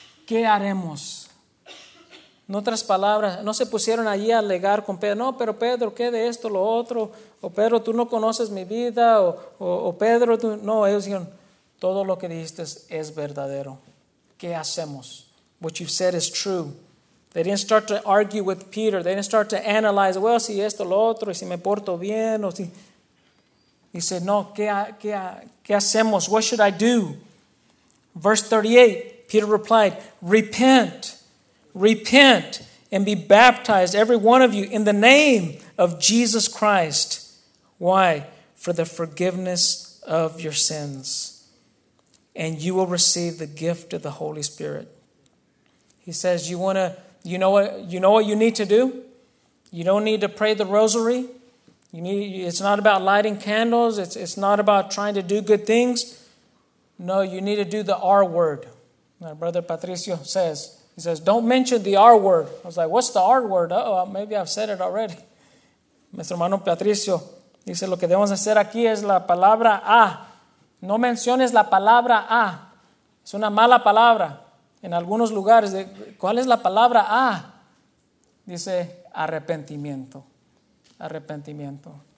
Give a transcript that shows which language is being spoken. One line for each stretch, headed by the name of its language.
Spanish: ¿Qué haremos? En otras palabras, no se pusieron allí a alegar con Pedro. No, pero Pedro, ¿qué de esto, lo otro? O Pedro, tú no conoces mi vida. O Pedro, tú... No, ellos dijeron, todo lo que dijiste es verdadero. ¿Qué hacemos?
English: What you've said is true. They didn't start to argue with Peter. They didn't start to analyze, well,
Spanish: si esto, lo otro, y si me porto bien, o si...
English: He said, no,
Spanish: ¿qué hacemos?
English: What should I do? Verse 38, Peter replied, repent. Repent and be baptized, every one of you, in the name of Jesus Christ. Why? For the forgiveness of your sins. And you will receive the gift of the Holy Spirit. He says, you know what you need to do? You don't need to pray the rosary. It's not about lighting candles. It's not about trying to do good things. No, you need to do the R word. My brother Patricio says, he says, don't mention the R word. I was like, what's the R word? Uh-oh, maybe I've said it already.
Spanish: Nuestro hermano Patricio dice, lo que debemos hacer aquí es la palabra A. No menciones la palabra A. Es una mala palabra en algunos lugares. ¿Cuál es la palabra A? Dice, arrepentimiento. Arrepentimiento.